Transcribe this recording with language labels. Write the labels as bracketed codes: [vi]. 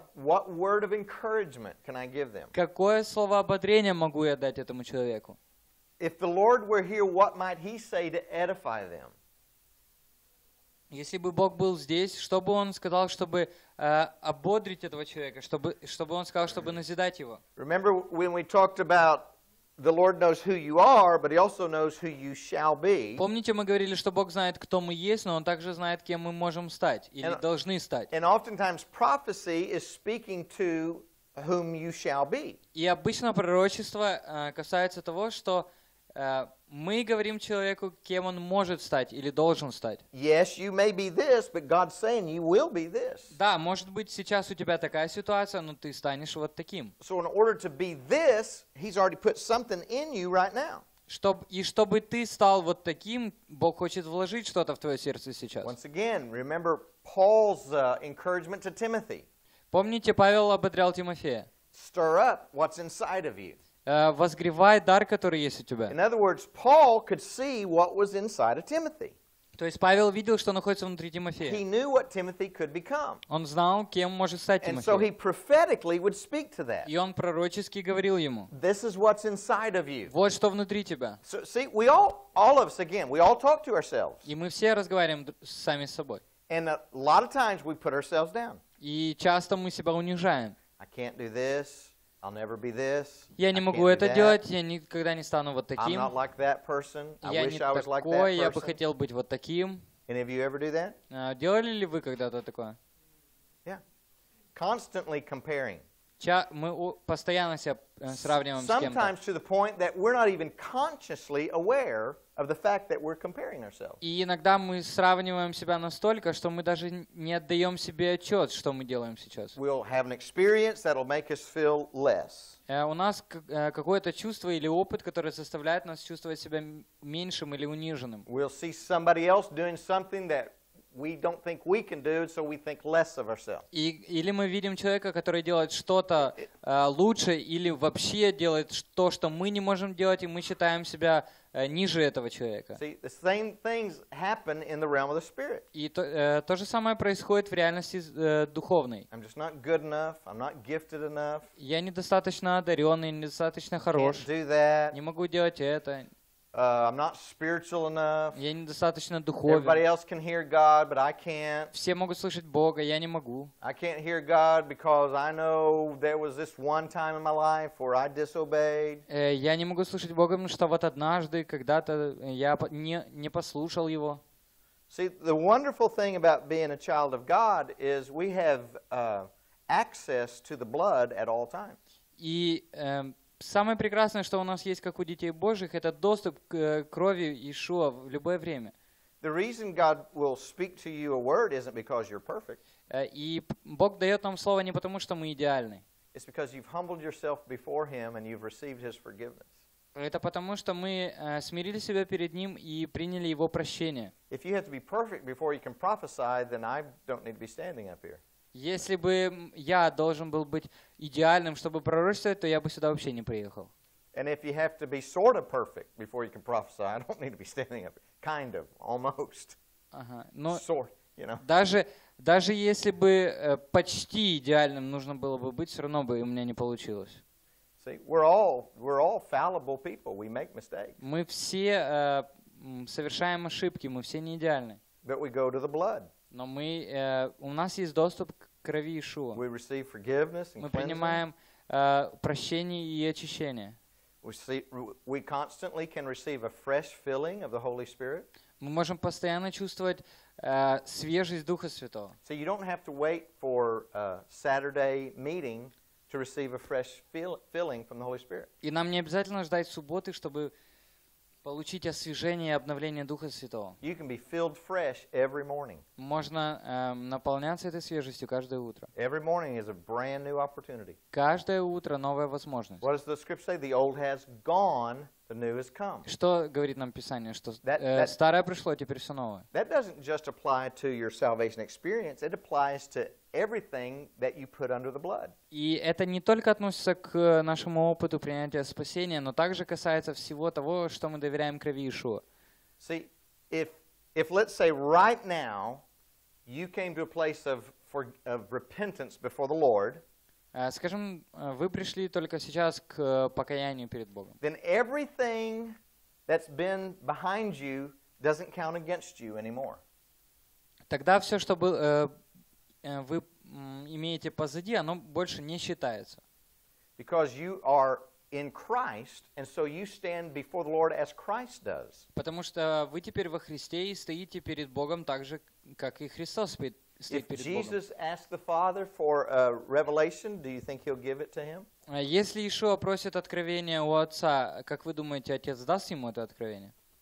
[en] What word of encouragement can I give them? [ru] Какое слово ободрения могу я дать этому человеку? [en] If the Lord were here, what might He say to edify them? [ru] Если бы Бог был здесь, что бы Он сказал, чтобы ободрить этого человека, чтобы Он сказал, чтобы назидать его? [en] Remember when we talked about the Lord knows who you are, but He also knows who you shall be. [ru] Помните, мы говорили, что Бог знает, кто мы есть, но Он также знает, кем мы можем стать или должны стать. [en] And oftentimes prophecy is speaking to whom you shall be. [ru] И обычно пророчество касается того, что мы говорим человеку, кем он может стать или должен стать. [en] Yes, you may be this, but God's saying you will be this. [ru] Да, может быть, сейчас у тебя такая ситуация, но ты станешь вот таким. [en] So in order to be this, He's already put something in you right now. [ru] И чтобы ты стал вот таким, Бог хочет вложить что-то в твое сердце сейчас. [en] Once again, remember Paul's encouragement to Timothy. [ru] Помните, Павел ободрял Тимофея. [en] Stir up what's inside of you. [ru] Возгревай дар, который есть у тебя. [en] In other words, Paul could see what was inside of Timothy. [ru] То есть Павел видел, что находится внутри Тимофея. [en] He knew what Timothy could become. [ru] Он знал, кем может стать Тимофей. [en] And so he prophetically would speak to that. [ru] И он пророчески говорил ему. [en] This is what's inside of you. [ru] Вот что внутри тебя. [en] So, see, we all of us again, we all talk to ourselves. [ru] И мы все разговариваем сами с собой. [en] And a lot of times we put ourselves down. [ru] И часто мы себя унижаем. [en] I can't do this. I'll never be this. [ru] Я не могу это делать, я никогда не стану вот таким. [en] I'm not like that person. I wish I was like that person. [ru] Я бы хотел быть вот таким. [en] And have you ever do that? [ru] Делали ли вы когда-то такое? [en] Yeah. Constantly comparing. [ru] Мы постоянно себя сравниваем с кем-то. [en] Sometimes to the point that we're not even consciously aware of the fact that we're comparing ourselves. [ru] И иногда мы сравниваем себя настолько, что мы даже не отдаем себе отчет, что мы делаем сейчас. [en] We'll have an experience that'll make us feel less. [ru] У нас какое-то чувство или опыт, которое заставляет нас чувствовать себя меньшим или униженным. [en] We'll see somebody else doing something that we don't think we can do, so we think less of ourselves. [ru] Или мы видим человека, который делает что-то лучше, или вообще делает то, что мы не можем делать, и мы считаем себя ниже этого человека. [en] See, the same things happen in the realm of the spirit. [ru] И то же самое происходит в реальности духовной. [en] I'm just not good enough. I'm not gifted enough. [ru] Я недостаточно одаренный, недостаточно хорош. [en] Can't do that. [ru] Не могу делать это. [en] I'm not spiritual enough. [ru] Я недостаточно духовен. [en] Everybody else can hear God, but I can't. [ru] Все могут слышать Бога, я не могу. [en] I can't hear God because I know there was this one time in my life where I disobeyed. [ru] Я не могу слышать Бога, потому что вот однажды когда-то я не послушал его. [en] See, the wonderful thing about being a child of God is we have access to the blood at all times. [ru] И самое прекрасное, что у нас есть, как у детей Божьих, это доступ к крови Иешуа в любое время. [en] The reason God will speak to you a word isn't because you're perfect. [ru] И Бог дает нам слово не потому, что мы идеальны. [en] It's because you've humbled yourself before Him and you've received His forgiveness. [ru] Это потому, что мы смирили себя перед Ним и приняли Его прощение. [en] If you have to be perfect before you can prophesy, then I don't need to be standing up here. [ru] Если бы я должен был быть идеальным, чтобы пророчествовать, то я бы сюда вообще не приехал. [en] And if you have to be sort of perfect before you can prophesy, I don't need to be standing up. Kind of, almost. Sort, you know. [ru] Даже если бы почти идеальным нужно было бы быть, все равно бы у меня не получилось. [en] See, we're all fallible people. We make mistakes. [ru] Мы все совершаем ошибки, мы все не идеальны. [en] But we go to the blood. [ru] Но мы, у нас есть доступ к крови Иешуа. [en] We receive forgiveness and [ru] мы принимаем прощение и очищение. [en] We constantly can receive a fresh filling of the Holy Spirit. [ru] Мы можем постоянно чувствовать свежесть Духа Святого. [en] So you don't have to wait for a Saturday meeting to receive a fresh filling from the Holy Spirit. [ru] И нам не обязательно ждать субботы, чтобы получить освежение и обновление Духа Святого. [en] You can be filled fresh every morning. [ru] Можно наполняться этой свежестью каждое утро. [en] Every morning is a brand new opportunity. [ru] Каждое утро новая возможность. [en] What does the scripture say? The old has gone, the new has come. [ru] Что говорит нам Писание, что старое пришло, теперь все новое. [en] That doesn't just apply to your salvation experience, it applies to everything that you put under the blood. [ru] И это не только относится к нашему опыту принятия спасения, но также касается всего того, что мы доверяем крови Иешуа. [en] See, if let's say right now you came to a place of repentance before the Lord. [ru] Скажем, вы пришли только сейчас к покаянию перед Богом. [en] Then everything that's been behind you doesn't count against you anymore. [ru] Тогда все, что было вы имеете позади, оно больше не считается. [en] Because you are in Christ, and so you stand before the Lord as Christ does. [ru] Потому что вы теперь во Христе и стоите перед Богом так же, как и Христос стоит перед Богом. [en] If Jesus asked the Father for a revelation, do you think He'll give it to Him? [ru] Если Иешуа просит откровения у Отца, как вы думаете, Отец даст ему это откровение?